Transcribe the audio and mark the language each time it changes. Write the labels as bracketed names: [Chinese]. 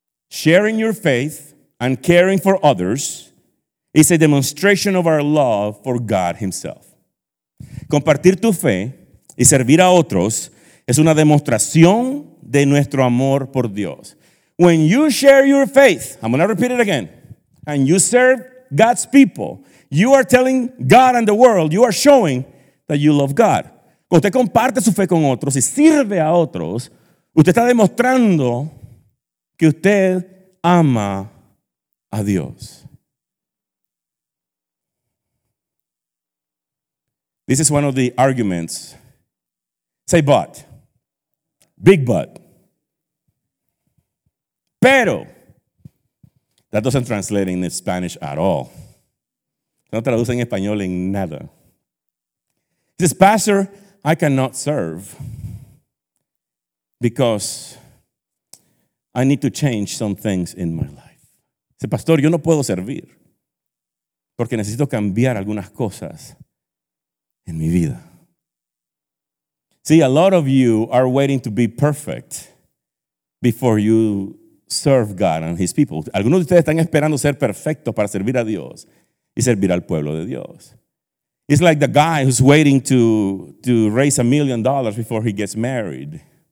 [English] Sharing your faith and caring for others is a demonstration of our love for God himself. [Spanish] Compartir tu fe y servir a otros es una demostración de nuestro amor por Dios. [English] When you share your faith, I'm going to repeat it again, and you serve God's people, you are telling God and the world, you are showing that you love God. [Spanish] Cuando usted comparte su fe con otros y sirve a otros, usted está demostrando que usted ama a Dios. [English] This is one of the arguments. Say but. Big but. [Spanish] Pero. [English] That doesn't translate in Spanish at all. [Spanish] No traduce en español en nada. [English] He says, Pastor, I cannot serve because I need to change some things in my life. [Spanish] Dice, Pastor, yo no puedo servir porque necesito cambiar algunas cosas en mi vida. [English] See, a lot of you are waiting to be perfect before you serve God and His people. [Spanish] Algunos de ustedes están esperando ser perfectos para servir a Dios y servir al pueblo de Dios. [English] It's like the guy who's waiting to raise $1 million before he gets married.